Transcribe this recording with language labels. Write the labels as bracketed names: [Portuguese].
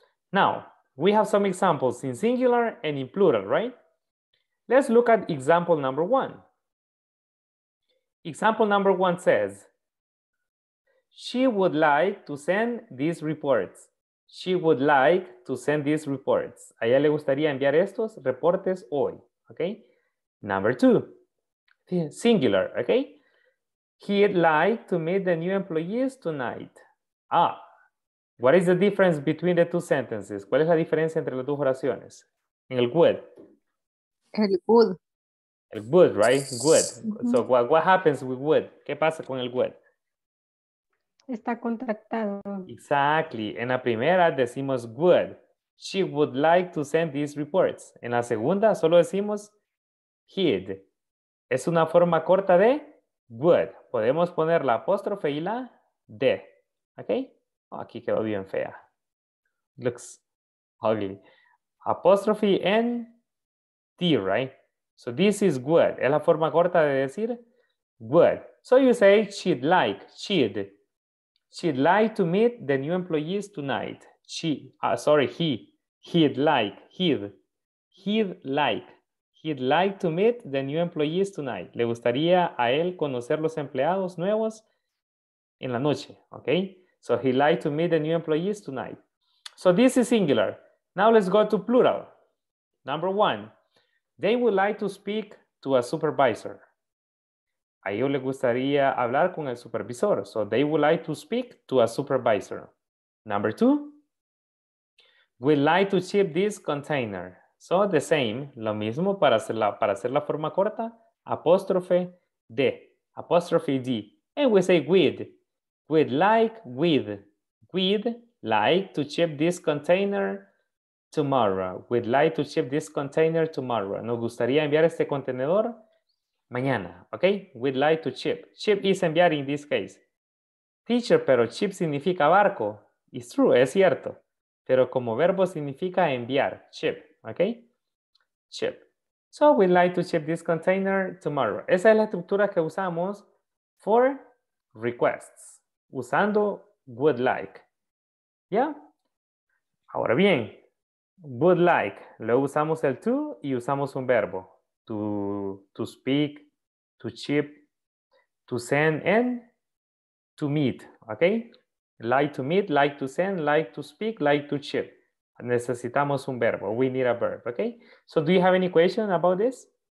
[English] Now, we have some examples in singular and in plural, right? Let's look at example number one. Example number one says, she would like to send these reports. She would like to send these reports. [Spanish] A ella le gustaría enviar estos reportes hoy, okay? [English] Number two, singular, okay? He'd like to meet the new employees tonight. Ah, what is the difference between the two sentences? [Spanish] ¿Cuál es la diferencia entre las dos oraciones? En el would. El would. [English] El would, right? Would. Mm-hmm. So what happens with would? [Spanish] ¿Qué pasa con el would? Está contractado. [English] Exactly. [Spanish] En la primera decimos would. [English] She would like to send these reports. [Spanish] En la segunda solo decimos he'd. Es una forma corta de would. Podemos poner la apóstrofe y la de. ¿Ok? Oh, aquí quedó bien fea. [English] Looks ugly. Apóstrofe and D, right? So this is would. [Spanish] Es la forma corta de decir would. [English] So you say she'd like. She'd. She'd like to meet the new employees tonight. She. Sorry, he. He'd like. He'd. He'd like. He'd like to meet the new employees tonight. [Spanish] Le gustaría a él conocer los empleados nuevos en la noche. [English] Okay? So he'd like to meet the new employees tonight. So this is singular. Now let's go to plural. Number one, they would like to speak to a supervisor. [Spanish] A ellos le gustaría hablar con el supervisor. [English] So they would like to speak to a supervisor. Number two, we'd like to ship this container. So the same, [Spanish] lo mismo para hacer la forma corta, apóstrofe D, apóstrofe D. [English] And we say we'd like, we'd like to ship this container tomorrow. We'd like to ship this container tomorrow. [Spanish] Nos gustaría enviar este contenedor mañana, [English] okay? We'd like to ship. Ship is enviar in this case. Teacher, [Spanish] pero ship significa barco. [English] It's true, [Spanish] es cierto. Pero como verbo significa enviar, ship. [English] Okay, ship. So we'd like to ship this container tomorrow. [Spanish] Esa es la estructura que usamos [English] for requests, [Spanish] usando would like. Yeah? Ahora bien, would like. Luego usamos el to y usamos un verbo. [English] To speak, to ship, to send, and to meet. Okay? Like to meet, like to send, like to speak, like to ship. [Spanish] Necesitamos un verbo. [English] We need a verb, [Spanish] okay? [English] So do you have any question about this?